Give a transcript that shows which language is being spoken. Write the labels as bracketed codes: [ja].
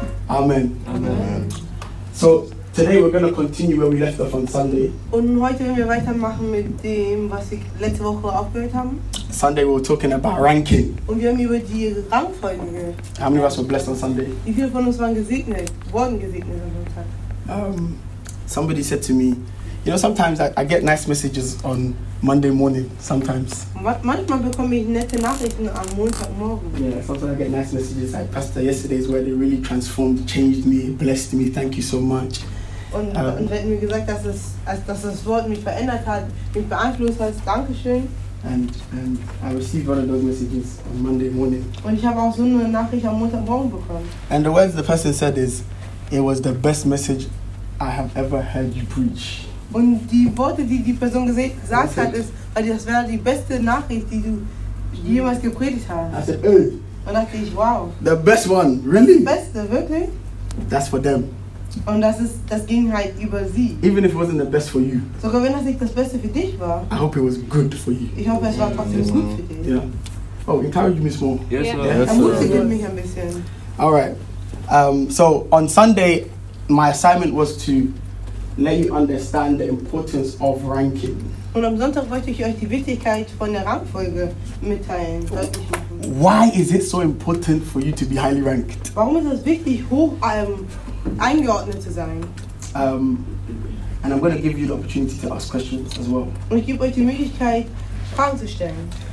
[en] Amen. Amen. So today we're going to continue where we left off on Sunday. [de] Und heute werden wir weitermachen mit dem, was wir letzte Woche aufgehört haben. [en] Sunday we were talking about ranking. [de] Und wir haben über die Rangfolge gehört. [en] How many of us were blessed on Sunday? [de] Wie viele von uns waren gesegnet? Wurden gesegnet am Sonntag? [en] Somebody said to me, you know, sometimes I get nice messages on Monday morning, sometimes. [de] Manchmal bekomme ich nette Nachrichten am Montagmorgen. [en] Yeah, sometimes I get nice messages like Pastor yesterday's, where they really transformed, changed me, blessed me, thank you so much. [de] Und wenn mir gesagt, dass das Wort mich verändert hat, mich beeinflusst hat, danke schön. [en] And I received one of those messages on Monday morning. [de] Und ich habe auch so eine Nachricht am Montagmorgen bekommen. [en] And the words the person said is, it was the best message I have ever heard you preach. [de] Und die Worte, die die Person gesagt hat, ist, weil das wäre die beste Nachricht, die du jemals gepredigt hast. [en] I said, [de] Und dachte ich, wow. [en] The best one, really? [de] Die beste, wirklich? [en] That's for them. [de] Und das ging halt über sie. [en] Even if it wasn't the best for you. [de] Sogar wenn das nicht das Beste für dich war. [en] I hope it was good for you. [de] Ich hoffe, es war trotzdem gut für dich. [en] Yeah. Oh, encourage me small. Yes, sir. Yeah. [de] Ermutige mich ein bisschen. [en] All right. So on Sunday, my assignment was to let you understand the importance of ranking. [de] Und am Sonntag wollte ich euch die Wichtigkeit von der Rangfolge mitteilen. [en] Why is it so important for you to be highly ranked? [de] Warum ist es wichtig, hoch eingeordnet zu sein? [en] And I'm going to give you the opportunity to ask questions as well. [de] Und ich gebe euch die Möglichkeit, Fragen zu stellen.